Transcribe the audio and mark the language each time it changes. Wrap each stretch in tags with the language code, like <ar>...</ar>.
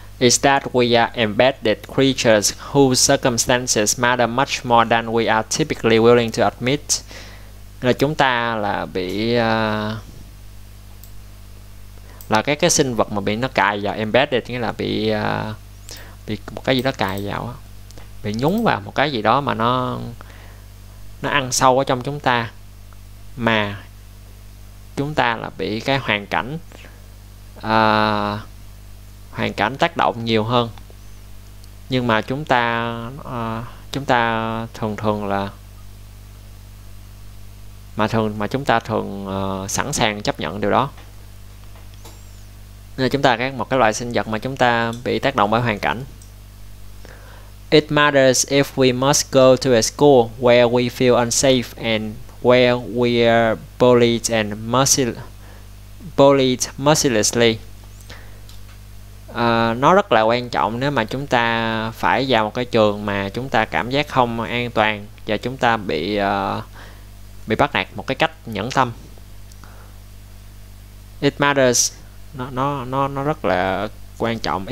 <en>Is that we are embedded creatures whose circumstances matter much more than we are typically willing to admit.</en> <vi>Là chúng ta là bị là cái sinh vật mà bị nó cài vào, embedded nghĩa là bị một cái gì đó cài vào, bị nhúng vào một cái gì đó mà nó ăn sâu ở trong chúng ta, mà chúng ta là bị cái hoàn cảnh tác động nhiều hơn, nhưng mà chúng ta thường sẵn sàng chấp nhận điều đó. Nên chúng ta là một cái loại sinh vật mà chúng ta bị tác động bởi hoàn cảnh.</vi> <en>It matters if we must go to a school where we feel unsafe and where we are bullied and bullied mercilessly.</en> <vi>Nó rất là quan trọng nếu mà chúng ta phải vào một cái trường mà chúng ta cảm giác không an toàn và chúng ta bị bắt nạt một cái cách nhẫn tâm.</vi> <en>It matters.</en> <vi>Nó rất là quan trọng.</vi>